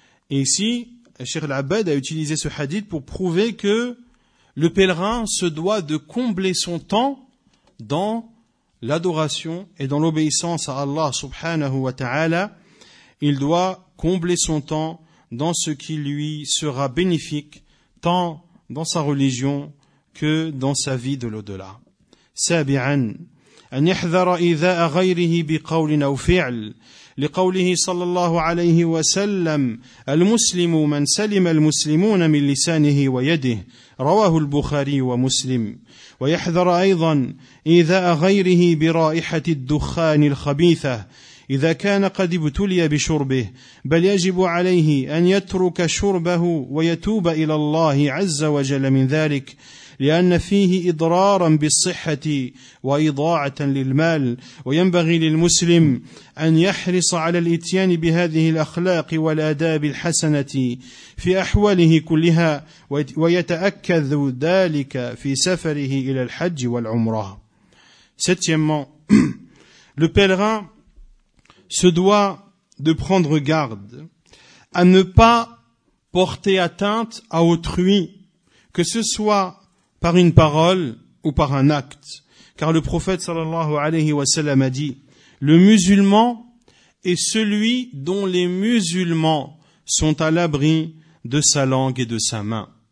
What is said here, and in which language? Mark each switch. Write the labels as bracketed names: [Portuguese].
[French] Et ici, Cheikh Al-Abbad a utilisé ce hadith pour prouver que le pèlerin se doit de combler son temps dans l'adoration et dans l'obéissance à Allah subhanahu wa ta'ala. Il doit combler son temps dans ce qui lui sera bénéfique, tant dans sa religion que dans sa vie de l'au-delà. [Arabic] سابعا أن يحذر إيذاء غيره بقول أو فعل لقوله صلى الله عليه وسلم المسلم من سلم المسلمون من لسانه ويده رواه البخاري ومسلم ويحذر أيضا إيذاء غيره برائحة الدخان الخبيثة إذا كان قد ابتلي بشربه بل يجب عليه أن يترك شربه ويتوب إلى الله عز وجل من ذلك لأن فيه إضرارا بالصحة وإضاعة للمال وينبغي للمسلم أن يحرص على الإتيان بهذه الأخلاق والآداب الحسنة في أحواله كلها ويتأكد ذلك في سفره إلى الحج والعمرة. [French] Septièmement, le pèlerin se doit de prendre garde à ne pas porter atteinte à autrui, que ce soit par une parole ou par un acte. Car le prophète sallallahu alayhi wa sallam a dit, le musulman est celui dont les musulmans sont à l'abri de sa langue et de sa main.